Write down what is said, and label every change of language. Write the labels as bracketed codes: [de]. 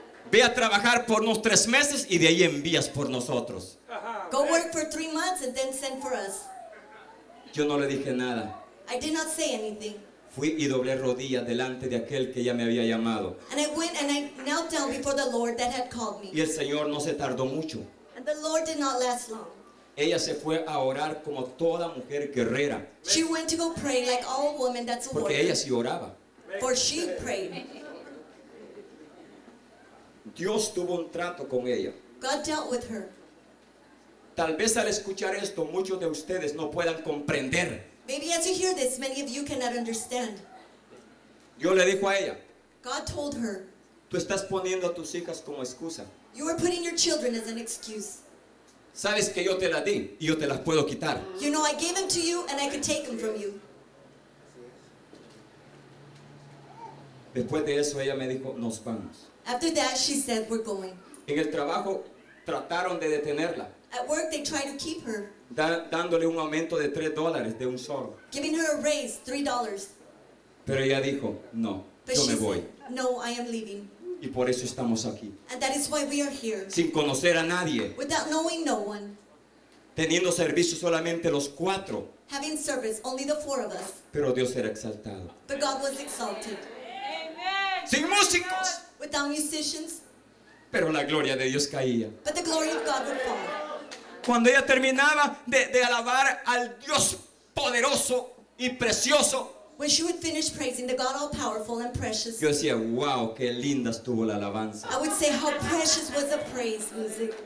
[es] Ve a trabajar por unos 3 meses y de ahí envías por nosotros. [en] Go work for 3 months and then send for us. [es] Yo no le dije nada. [en] I did not say anything. [es] Fui y doblé rodillas delante de aquel que ya me había llamado. [en] And I went and I knelt down before the Lord that had called me. [es] Y el Señor no se tardó mucho. [en] And the Lord did not last long. [es] Ella se fue a orar como toda mujer guerrera. [en] She went to go pray like all women that's a warrior. [es] Porque ella sí oraba. [en] For she prayed. [es] Dios tuvo un trato con ella. [en] God dealt with her. [es] Tal vez al escuchar esto muchos de ustedes no puedan comprender. [en] Maybe as you hear this, many of you cannot understand. [es] Dios le dijo a ella, [en] God told her, [es] tú estás poniendo a tus hijas como excusa. [en] You are putting your children as an excuse. [es] Sabes que yo te las di y yo te las puedo quitar. [en] You know, I gave them to you and I could take them from you. [es] Después de eso, ella me dijo, nos vamos. [en] After that, she said, we're going. [es] En el trabajo, trataron de detenerla. [en] At work, they tried to keep her. [es] Dándole un aumento de $3 de un solo. [en] Giving her a raise, $3. [es] Pero ella dijo, no, [en] but [es] yo me voy. [en] Said, no, I am leaving. [es] Y por eso estamos aquí. [en] And that is why we are here. [es] Sin conocer a nadie. [en] Without knowing no one. [es] Teniendo servicio solamente los cuatro. [en] Having service, only the four of us. [es] Pero Dios era exaltado. [en] But God was exalted. [es] Amen. Sin músicos. [en] Without musicians. [es] Pero la gloria de Dios caía. [en] But the glory of God would fall. [es] Cuando ella terminaba de alabar al Dios poderoso y precioso. [en] When she would finish praising the God all-powerful and precious. [es] Yo decía, wow, qué linda estuvo la alabanza. [en] I would say how precious was the praise music.